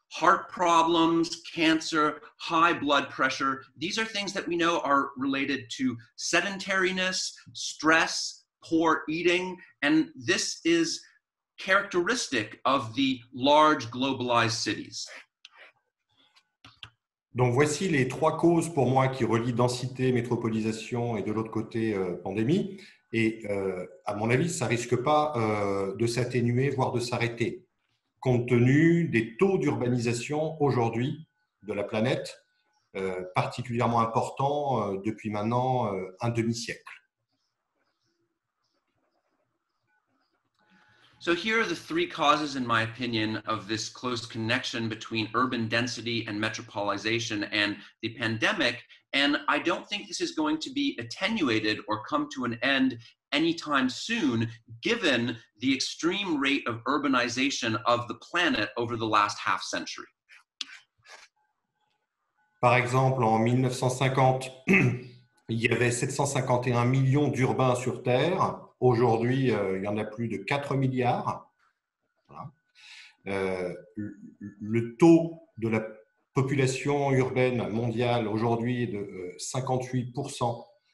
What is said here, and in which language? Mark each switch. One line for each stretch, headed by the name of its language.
English: Heart problems, cancer, high blood pressure, these are things that we know are related to sedentariness, stress, poor eating, and this is characteristic of the large globalized cities.
French: Donc voici les trois causes pour moi qui relient densité, métropolisation et de l'autre côté pandémie. Et à mon avis, ça risque pas de s'atténuer, voire de s'arrêter, compte tenu des taux d'urbanisation aujourd'hui de la planète, particulièrement importants depuis maintenant un demi-siècle.
English: So here are the three causes, in my opinion, of this close connection between urban density and metropolization and the pandemic. And I don't think this is going to be attenuated or come to an end anytime soon, given the extreme rate of urbanization of the planet over the last half century.
French: Par exemple, en 1950, il y avait 751 millions d'urbains sur Terre. Aujourd'hui, il y en a plus de 4 milliards. Voilà. Le taux de la population urbaine mondiale aujourd'hui est de 58%.